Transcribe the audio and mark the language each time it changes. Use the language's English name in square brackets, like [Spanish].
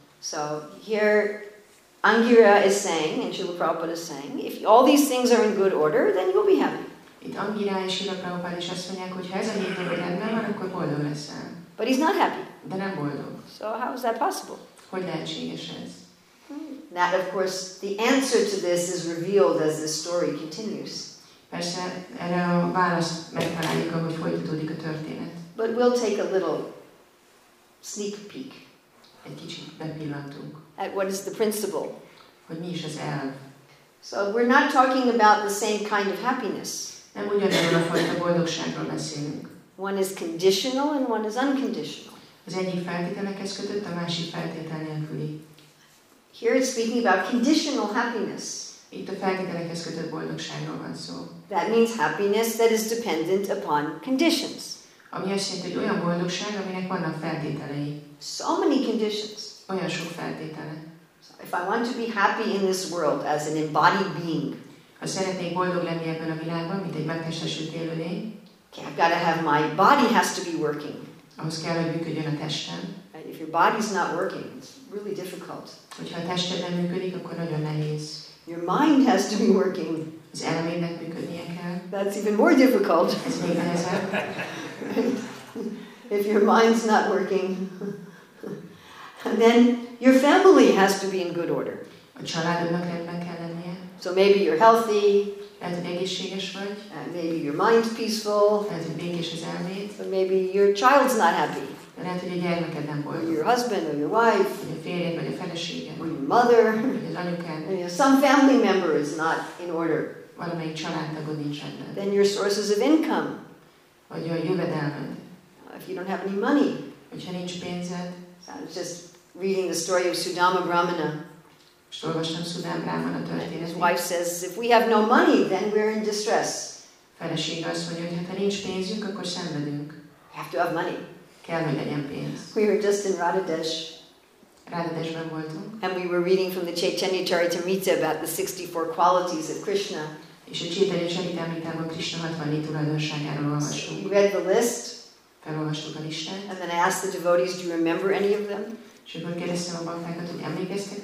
[English] So here Angira is saying, and Srila Prabhupada is saying, if all these things are in good order, then you'll be happy. [Hungarian] Itt Angira és Srila Prabhupada is azt mondják, hogy ha ez a hét dolog rendben van, akkor boldog leszel. [English] But he's not happy. [Hungarian] De nem boldog. [English] So how is that possible? [Hungarian] Hogy lehetséges ez? [English] That, of course, the answer to this is revealed as the story continues. [Hungarian] Persze, erre a választ megtaláljuk, ahogy folytatódik a történet. [English] But we'll take a little sneak peek. [Hungarian] Egy kicsit bepillantunk. [English] At what is the principle. [Hungarian] Hogy mi is az elv. [English] So we're not talking about the same kind of happiness. [Hungarian] Nem ugyanazon a fajta boldogságról beszélünk. [English] One is conditional and one is unconditional. [Hungarian] Az egyik feltételekhez kötött, a másik feltétel nélküli. [English] Here it's speaking about conditional happiness. [Hungarian] Itt a feltételekhez kötött boldogságról van szó. [English] That means happiness that is dependent upon conditions. [Hungarian] Ami azt jelenti, hogy olyan boldogság, aminek vannak feltételei. [English] So many conditions. [Hungarian] Olyan sok feltétele. [English] So if I want to be happy in this world as an embodied being. [Hungarian] Ha szeretnék boldog lenni ebben a világban, mint egy megtestesült élőlény. [English] Okay, I've got to have my body has to be working. [Hungarian] Ahhoz kell, hogy működjön a testem. [English] If your body's not working, it's really difficult. [Hungarian] Hogyha a tested nem működik, akkor nagyon nehéz. [English] Your mind has to be working. [Hungarian] Az elmének működnie kell. [English] That's even more difficult. [Hungarian] Ez még nehezebb. [English] If your mind's not working, then your family has to be in good order. [Hungarian] A családodnak rendben kell lennie. [English] So maybe you're healthy. [Hungarian] Lehet, hogy egészséges vagy. [English] And maybe your mind's peaceful. [Hungarian] Lehet, hogy békés az elméd. [English] But maybe your child's not happy. [Hungarian] Lehet, hogy a gyermeked nem boldog. [English] Your husband or your wife. [Hungarian] Vagy a férjed vagy a felesége. [English] Or your mother. [Hungarian] Vagy az anyukád. [English] You know, some family member is not in order. [Hungarian] Valamelyik családtagod nincs rendben. [English] Then your sources of income. [Hungarian] Vagy a jövedelmed. [English] If you don't have any money. [Hungarian] Hogyha nincs pénzed. [English] So I was just reading the story of Sudama Brahmana. [Hungarian] Most olvastam Sudama Brahmana történetét. [English] His wife says, if we have no money, then we're in distress. [Hungarian] Felesége azt mondja, hogy ha nincs pénzünk, akkor szenvedünk. [English] We have to have money. [Hungarian] Kell, hogy legyen pénz. [English] We were just in Radhadesh. [Hungarian] Radhadeshben voltunk. [English] And we were reading from the Chaitanya Charitamrita about the 64 qualities of Krishna. [Hungarian] És a Chaitanya Charitamritában Krishna 64 tulajdonságáról olvastunk. [English] We read the list. [Hungarian] Felolvastuk a listát. [English] And then I asked the devotees, do you remember any of them? [Hungarian] És akkor kérdeztem a bankákat, hogy emlékeztek